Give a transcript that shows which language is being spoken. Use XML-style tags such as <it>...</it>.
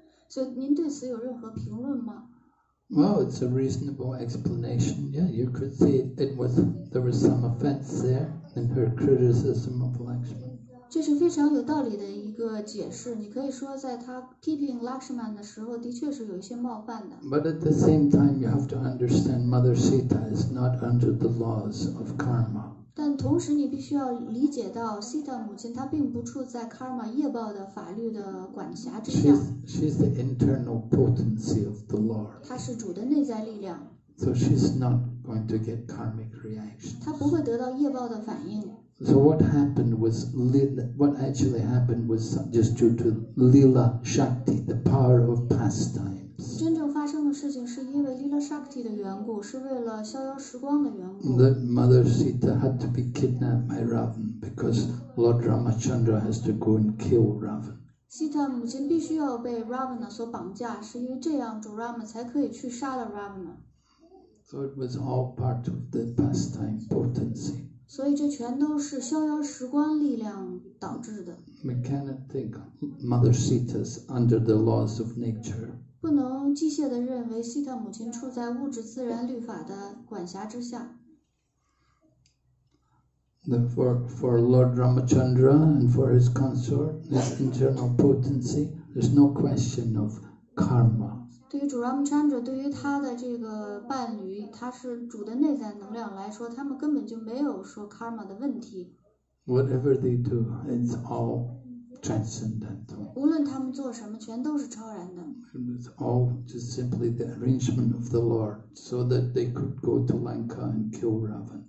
<zh>所以您对此有任何评论吗？</zh> <en>Well, it's a reasonable explanation. Yeah, you could say it was, there was some offense there in her criticism of Lakshman.</en> <zh>这是非常有道理的一个解释。你可以说在她批评 Lakshman 的时候的确是有一些冒犯的。</zh> <en>But at the same time, you have to understand Mother Sita is not under the laws of karma.</en> <zh>但同时你必须要理解到 Sita 母亲她并不处在 karma 业报的法律的管辖之下。</zh> <en>She's the internal potency of the Lord.</en> <zh>她是主的内在力量。</zh> <en>So she's not going to get karmic reactions.</en> <zh>她不会得到业报的反应。</zh> <en>So what actually happened was just due to Lila Shakti, the power of pastime.</en> <zh>真正发生的事情是因为 Lila Shakti 的缘故，是为了逍遥时光的缘故。</zh> <en>The mother Sita had to be kidnapped by Ravan because Lord Ramachandra has to go and kill Ravan.</en> <zh>Sita 母亲必须要被 Ravan 所绑架，是因为这样主 Rama 才可以去杀了 Ravan.</zh> <en>So it was all part of the pastime potency.</en> <zh>所以这全都是逍遥时光力量导致的。</zh> <en>We cannot think mother Sita's under the laws of nature.</en> <zh>不能机械地认为西特母亲处在物质自然律法的管辖之下。</zh> <en>For Lord Ramachandra and for his consort, his internal potency, there's no question of karma.</en> <zh>对于主 Ramachandra, 对于他的这个伴侣，他是主的内在能量来说，他们根本就没有说 karma 的问题。</zh> <en>Whatever they do, it's all. Transcendental.</en> <zh>无论他们做什么，全都是超然的。</zh> <en>It's all just simply the arrangement of the Lord, so that they could go to Lanka and kill Ravan.</en>